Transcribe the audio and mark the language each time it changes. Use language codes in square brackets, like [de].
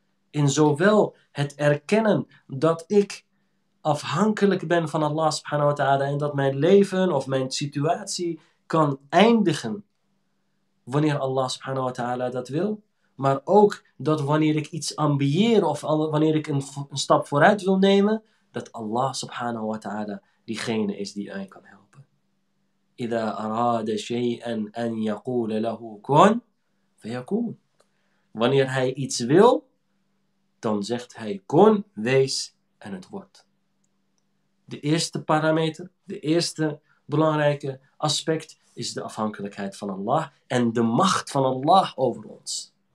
[nl] In zowel het erkennen dat ik afhankelijk ben van Allah subhanahu wa ta'ala en dat mijn leven of mijn situatie kan eindigen wanneer Allah subhanahu wa ta'ala dat wil, maar ook dat wanneer ik iets ambieer of wanneer ik een stap vooruit wil nemen, dat Allah subhanahu wa ta'ala diegene is die mij kan helpen. [ar] إِذَا أَرَادَ شَيْئًا أَنْ يَقُولَ لَهُ كُنْ فَيَكُونَ. [nl] Wanneer hij iets wil, dan zegt hij kon, wees en het wordt. De eerste parameter, de eerste belangrijke aspect is de afhankelijkheid van Allah en de macht van Allah over ons.